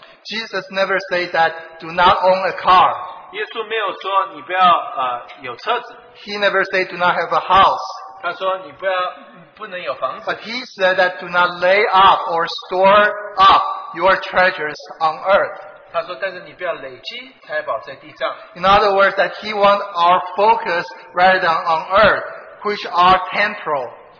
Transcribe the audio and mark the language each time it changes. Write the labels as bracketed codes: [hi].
[en] Jesus never said that do not own a car. [zh] 耶稣没有说你不要有车子。 [en] He never said do not have a house. [zh] 他说你不要不能有房子。 [en] But he said that do not lay up or store up your treasures on earth. [zh] 他说但是你不要累积财宝在地上。 [en] In other words, that he wants our focus rather than on earth, which are temporal.